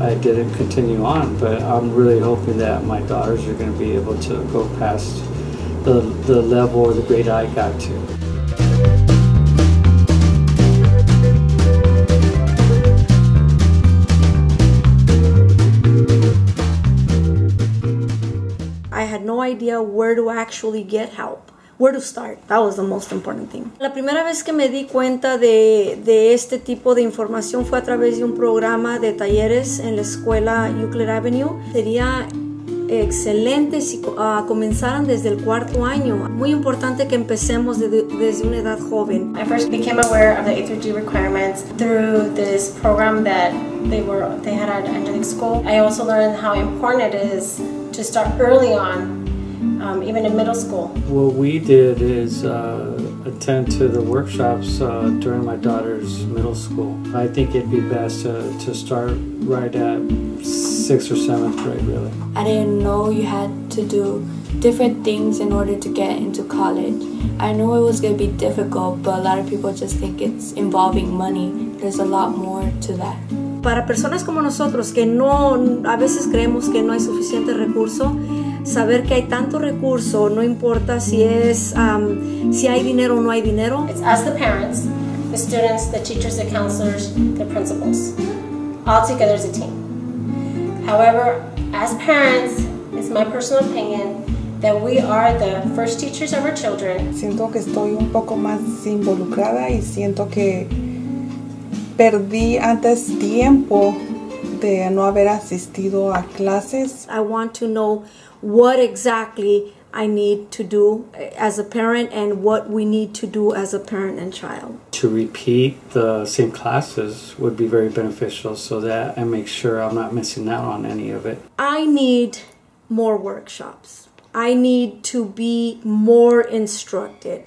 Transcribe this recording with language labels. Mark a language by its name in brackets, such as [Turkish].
[English] I didn't continue on, but I'm really hoping that my daughters are going to be able to go past the level or the grade I got to. No idea where to actually get help, where to start. That was the most important thing. [Spanish] La primera vez que me di cuenta de este tipo de información fue a través de un programa de talleres en la escuela Euclid Avenue. Sería excelente si comenzaran desde el cuarto año. Muy importante que empecemos desde una edad joven. [English] I first became aware of the A through G requirements through this program that they had at Angelic School. I also learned how important it is to start early on, even in middle school. What we did is attend to the workshops during my daughter's middle school. I think it'd be best to start right at 6th or 7th grade, really. I didn't know you had to do different things in order to get into college. I knew it was gonna be difficult, but a lot of people just think it's involving money. There's a lot more to that. [Spanish] Para personas como nosotros que no, a veces creemos que no hay suficiente recurso, saber que hay tanto recurso, no importa si es, si hay dinero o no hay dinero. [English] It's us, the parents, the students, the teachers, the counselors, the principals, all together as a team. However, as parents, it's my personal opinion that we are the first teachers of our children. [Spanish] Siento que estoy un poco más involucrada y siento que perdí antes tiempo de no haber asistido a clases. [English] I want to know what exactly I need to do as a parent and what we need to do as a parent and child. To repeat the same classes would be very beneficial so that I make sure I'm not missing out on any of it. I need more workshops. I need to be more instructed.